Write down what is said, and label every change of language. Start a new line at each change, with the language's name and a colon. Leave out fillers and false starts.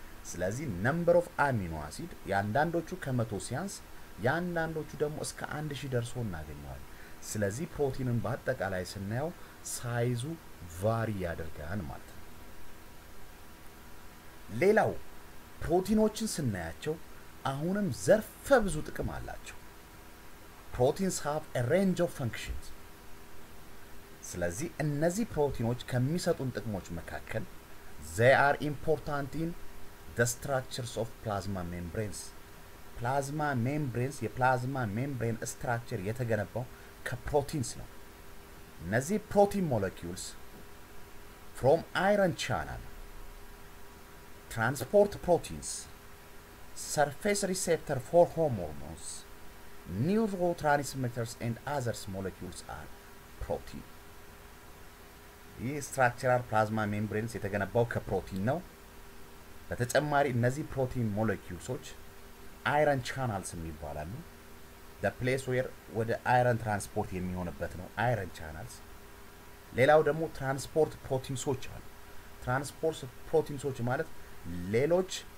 Amharic: ስለዚህ number of amino acid ያንዳንዶቹ ከመቶ ሲያንስ ያንዳንዶቹ ደግሞ እስከ 1000 ደርሶ እናገኛለን። ስለዚህ ፕሮቲንን በአጠቃላይ ስናየው ሳይዙ ቫሪ ያደርጋል ማለት ነው። ሌላው ፕሮቲኖችን ስናያቸው አሁንም ዘርፈ ብዙ ጥቅም አላቸው።
English: proteins have a range of functions.
Amharic: ስለዚህ እነዚህ ፕሮቲኖች ከሚሰጡን ጥቅሞች መካከል
English: they are important in the structures of plasma membranes. plasma membranes የplasma membrane structure
Amharic: የተገነባው ከፕሮቲንስ ነው። እነዚህ ፕሮቲን
English: molecules from iron channel transport proteins, surface receptor for hormones, neurotransmitters and other molecules are protein.
Amharic: ይህ structural plasma membranes የተገነባው ከፕሮቲን ነው። በተጨማሪ እነዚህ ፕሮቲን molecules iron channels የሚባላሉ።
English: the place where the iron transport
Amharic: የሚሆነበት ነው iron channels። ሌላው ደግሞ transport proteinsዎች አሉ። transport proteinsዎች ማለት ሌሎች